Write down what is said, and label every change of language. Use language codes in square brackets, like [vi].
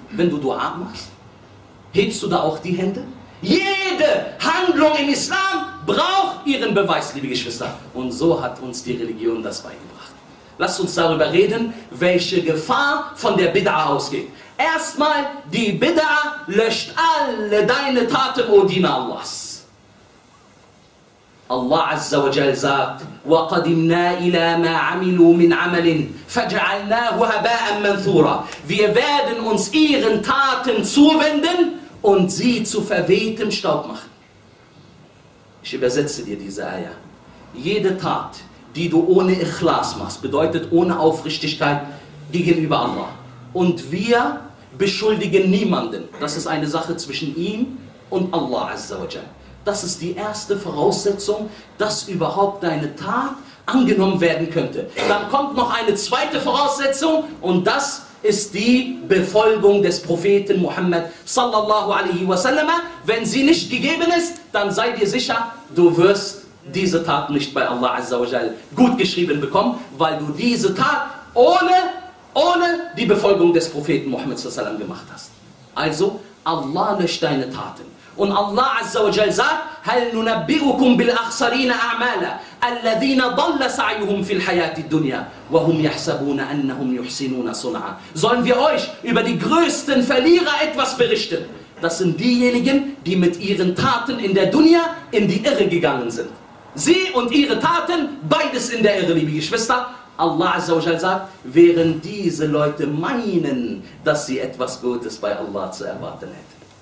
[de] Wenn du Dua machst, hebst du da auch die Hände? Jede Handlung im Islam braucht ihren Beweis, liebe Geschwister. Und so hat uns die Religion das beigebracht. Lasst uns darüber reden, welche Gefahr von der Bid'a ausgeht. Erstmal, die Bid'a löscht alle deine Taten, o Diener Allahs. Allah Azza wa Jal sagt, [ar] وَقَدِمْنَا إِلَى مَا عَمِلُوا مِنْ عَمَلٍ فَجَعَلْنَاهُ هَبَاءً مَنْثُورًا. [de] Wir werden uns ihren Taten zuwenden und sie zu verwehtem Staub machen. Ich übersetze dir diese Aya. Jede Tat, die du ohne Ikhlas machst, bedeutet ohne Aufrichtigkeit gegenüber Allah. Und wir beschuldigen niemanden. Das ist eine Sache zwischen ihm und Allah Azza wa Jal. Das ist die erste Voraussetzung, dass überhaupt deine Tat angenommen werden könnte. Dann kommt noch eine zweite Voraussetzung und das ist die Befolgung des Propheten Muhammad [ar] sallallahu alaihi wasallam. [de] Wenn sie nicht gegeben ist, dann sei dir sicher, du wirst diese Tat nicht bei Allah azza wa jal gut geschrieben bekommen, weil du diese Tat ohne die Befolgung des Propheten Muhammad [ar] sallallahu alaihi wasallam [de] gemacht hast. Also, Allah löscht deine Taten. Und Allah Azza wa Jal sagt, [ar] هَلْ نُنَبِّئُكُمْ بِالْأَخْسَرِينَ أَعْمَالًا أَلَّذِينَ ضَلَّ سَعْيُهُمْ فِي الْحَيَاةِ الدُّنْيَا وَهُمْ يَحْسَبُونَ أَنَّهُمْ يُحْسِنُونَ صُنْعًا. [de] Sollen wir euch über die größten Verlierer etwas berichten? Das sind diejenigen, die mit ihren Taten in der Dunya in die Irre gegangen sind. Sie und ihre Taten, beides in der Irre, liebe Geschwister. Allah Azza wa Jal sagt, während diese Leute meinen, dass sie etwas Gutes bei Allah zu erwarten hätten.